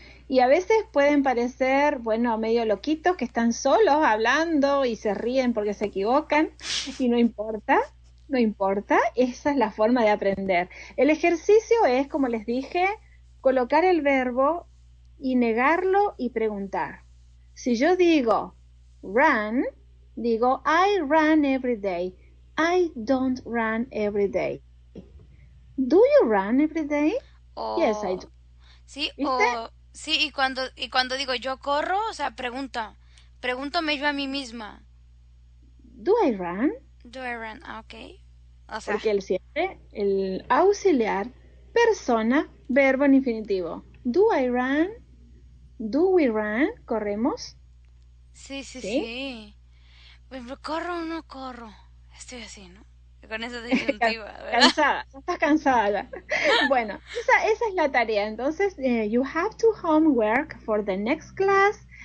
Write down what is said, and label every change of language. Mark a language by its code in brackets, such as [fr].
[es] Y a veces pueden parecer, bueno, medio loquitos, que están solos hablando y se ríen porque se equivocan. Y no importa, no importa, esa es la forma de aprender. El ejercicio es, como les dije, colocar el verbo y negarlo y preguntar. Si yo digo run, digo, [en] I run every day. I don't run every day. Do you run every day? Yes, I do. [es] O sí, ¿Viste? o sí, y cuando digo yo corro, o sea, pregúntame yo a mí misma. [en] Do I run? Do I run? Ah, okay. [es] O sea. Porque el auxiliar, persona, verbo en infinitivo. [en] Do I run? Do we run? [es] ¿Corremos? Sí, sí, ¿Sí? sí. ¿Corro o no corro? Estoy así, ¿no? Con esa disyuntiva, ¿verdad? Cansada, ya estás cansada. Bueno, esa es la tarea. [en] Entonces, you have to homework for the next class.